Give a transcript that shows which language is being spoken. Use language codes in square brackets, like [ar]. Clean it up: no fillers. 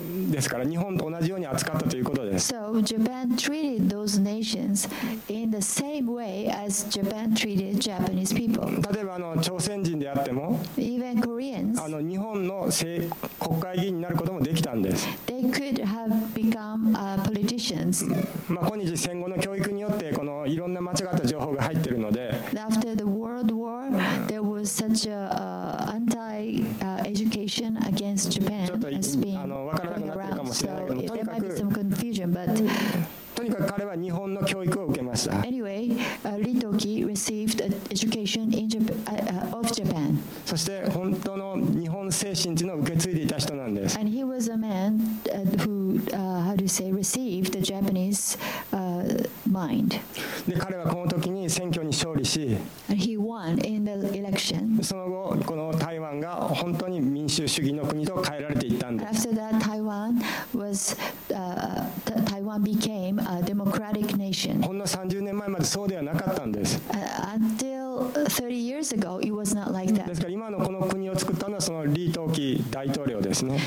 [ja] ですから日本と同じように扱ったということです。 [en] So Japan treated those nations in the same way as Japan treated Japanese people. [ja] 例えば朝鮮人であっても、 [en] even Koreans, [ja] 日本の国会議員になることもできたんです。 [en] They could have become politicians. [ja] 今日戦後の教育によってこのいろんな間違った情報が入っているので、 [en] after the World War, there was such aanti-education against Japan has been going around. So there might be some confusion, but [ja] とにかく彼は日本の教育を受けました。 [en] Anyway, Ritoki received an education in of Japan. [ja] そして本当の日本精神というのを受け継いでいた人なんです。 [en] And he was a man who, how do you say, received the Japanese mind. [ja] で彼はこの時に選挙に勝利し、 [en] And he won in the election. [ja] その後この台湾が本当に民主主義の国と変えられていったんです。 [en] After that, Taiwan was, Taiwan became A democratic nation. [ja] ほんの30年前までそうではなかったんです。 [en] Until 30 years ago, it was not like that. [ja] ですから今のこの国を作ったのはそのリートーキー大統領ですね。